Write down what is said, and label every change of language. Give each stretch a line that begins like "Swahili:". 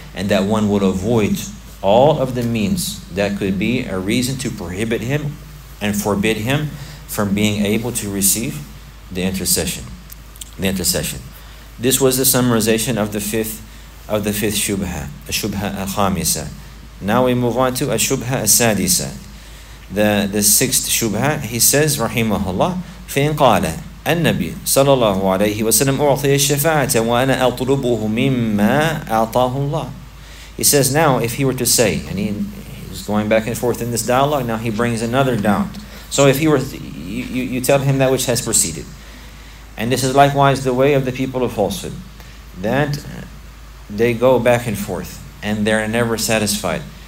English: And that one would avoid all of the means that could be a reason to prohibit him and forbid him from being able to receive the intercession. The intercession. This was the summarization of the fifth shubha, a shubha al-khamisa. Now we move on to a shubha al-sadisa. The sixth shubha, he says, rahimahullah,
Arabic: فَإِنْ قَالَ النَّبِي صَلَى اللَّهُ عَلَيْهِ وَسَلَمْ أُعْطِيَ الشَّفَاعَةَ وَأَنَا أَطْلُبُهُ مِمَّا أَعْطَاهُ اللَّهُ.
English: He says, now if he were to say, and he's going back and forth in this dialogue, now he brings another doubt. So if he were, you tell him that which has preceded. And this is likewise the way of the people of falsehood, that they go back and forth and they're never satisfied.